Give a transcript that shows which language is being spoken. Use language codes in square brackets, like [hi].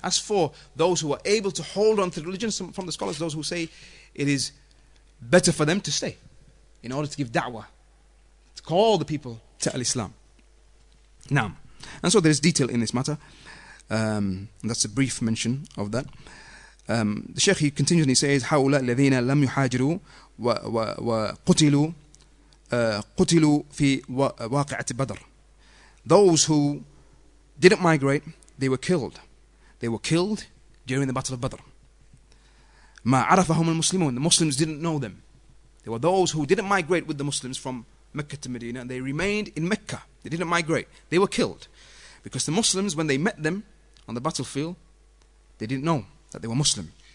[en] As for those who are able to hold on to the religion, some from the scholars, those who say it is better for them to stay in order to give da'wah, to call the people to al-Islam. Now, and so there's detail in this matter. That's a brief mention of that. The Sheikh, he continues and he says, [ar] هؤلاء الذين لم يحاجروا وقتلوا قتلوا في واقعة بدر. [en] Those who didn't migrate, they were killed. They were killed during the Battle of Badr. [ar] مَا عَرَفَهُمُ الْمُسْلِمُونَ. [en] The Muslims didn't know them. There were those who didn't migrate with the Muslims from Mecca to Medina, and they remained in Mecca. They didn't migrate. They were killed. Because the Muslims, when they met them on the battlefield, they didn't know that they were Muslim.